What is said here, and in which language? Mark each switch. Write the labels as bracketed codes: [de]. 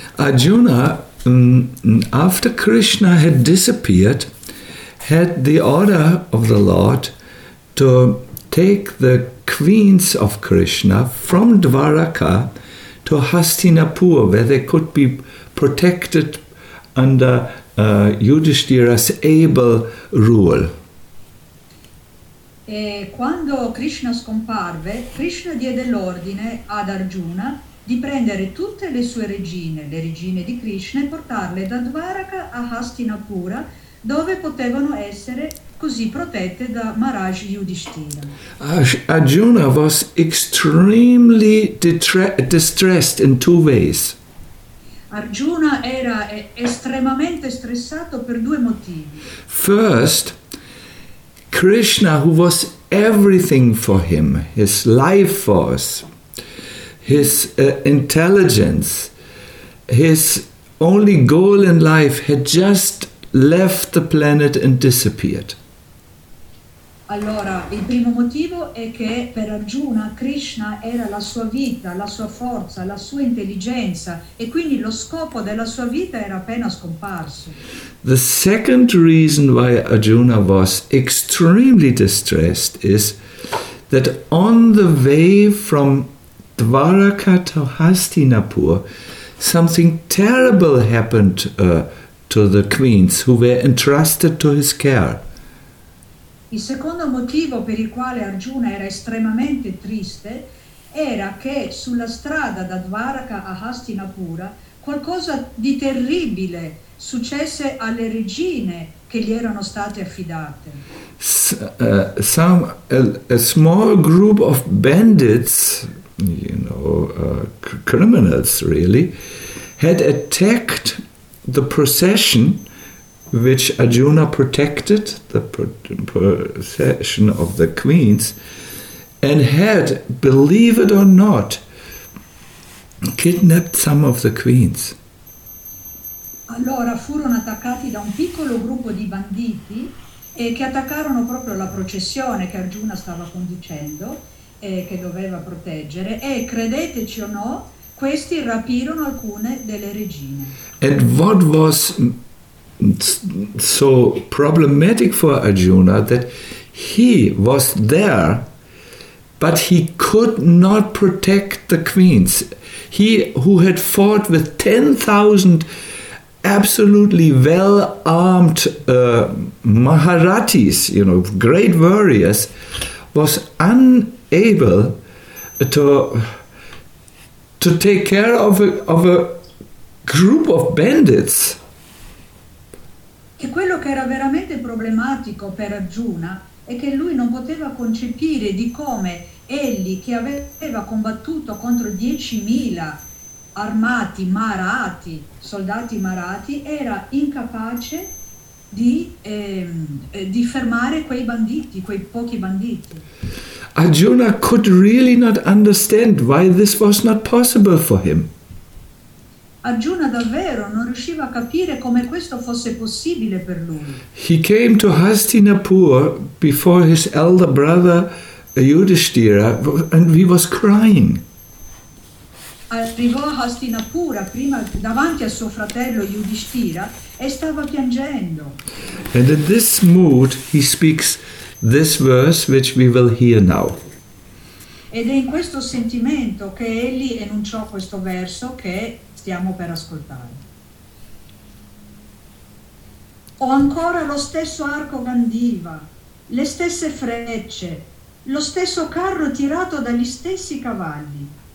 [en] Arjuna, after Krishna had disappeared, had the order of the Lord to take the queens of Krishna from Dwaraka to Hastinapur, where they could be protected under Yudhishthira's able rule. [it] E quando Krishna scomparve, Krishna diede l'ordine ad Arjuna di prendere tutte le sue regine, le regine di Krishna, e portarle da Dwaraka a Hastinapura, dove potevano essere così protette da Maharaj Yudhishthira. [en] Arjuna was extremely distressed in two ways. [it] Arjuna era estremamente stressato per due motivi. [en] First, Krishna, who was everything for him, his life force, his intelligence, his only goal in life, had just left the planet and disappeared. [it] Allora, il primo motivo è che per Arjuna Krishna era la sua vita, la sua forza, la sua intelligenza, e quindi lo scopo della sua vita era appena scomparso. [en] The second reason why Arjuna was extremely distressed is that on the way from Dwaraka to Hastinapur, something terrible happened to the queens who were entrusted to his care. [it] Il secondo motivo per il quale Arjuna era estremamente triste era che sulla strada da Dwaraka a Hastinapura qualcosa di terribile successe alle regine che gli erano state affidate. [en] A small group of bandits, you know, criminals really, had attacked the procession which Arjuna protected, the procession of the queens, and had, believe it or not, kidnapped some of the queens. [it] Allora furono attaccati da un piccolo gruppo di banditi che attaccarono proprio la processione che Arjuna stava conducendo e che doveva proteggere, e credeteci o no, questi rapirono alcune delle regine. [en] And what was so problematic for Arjuna that he was there, but he could not protect the queens. He, who had fought with 10,000 absolutely well-armed Maharathis, you know, great warriors, was unable to take care of a group of bandits. [it] E quello che era veramente problematico per Arjuna è che lui non poteva concepire di come egli, che aveva combattuto contro 10,000 armati marati, soldati marati, era incapace di fermare quei banditi, quei pochi banditi. [en] Arjuna could really not understand why this was not possible for him. [it] Arjuna davvero non riusciva a capire come questo fosse possibile per lui. [en] He came to Hastinapur before his elder brother Yudhishthira and he was crying. [it] Arrivò a Hastinapura prima davanti a suo fratello Yudhishthira e stava piangendo. [en] And in this mood he speaks this verse which we will hear now. [it] Ed è in questo sentimento che egli enunciò questo verso che stiamo per ascoltare. Ho ancora lo stesso arco Gandiva, le stesse frecce, lo stesso carro tirato dagli stessi cavalli.